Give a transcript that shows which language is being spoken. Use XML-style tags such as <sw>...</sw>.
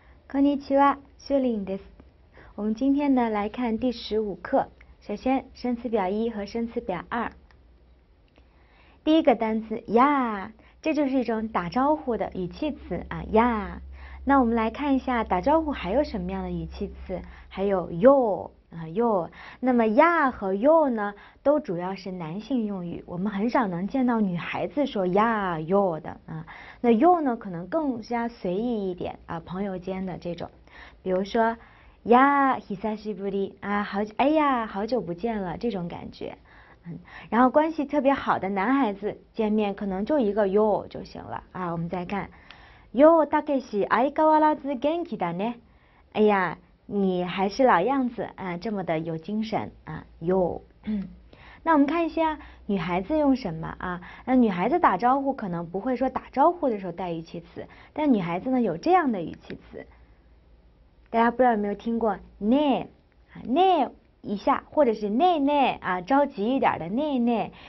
<ja>こんにちは、シュリンです。</ja> <zh>我们今天呢来看第十五课。首先，生词表一和生词表二。第一个单词呀，这就是一种打招呼的语气词啊呀。那我们来看一下打招呼还有什么样的语气词，还有哟啊哟。那么呀和哟呢，都主要是男性用语，我们很少能见到女孩子说呀哟的啊。那哟呢，可能更加随意一点啊，朋友间的这种，比如说呀，</zh> <ja>久しぶり</ja> <zh>啊，好，哎呀，好久不见了这种感觉。嗯，然后关系特别好的男孩子见面，可能就一个哟就行了啊。我们再看。哟，大概是</zh> <ja>相変わらず元気だね。</ja> <zh>哎呀，你还是老样子啊，这么的有精神啊。哟，那我们看一下女孩子用什么啊？那女孩子打招呼可能不会说打招呼的时候带语气词，但女孩子呢有这样的语气词，大家不知道有没有听过ね啊，ね一下，或者是ねね啊，着急一点的ねね。</zh>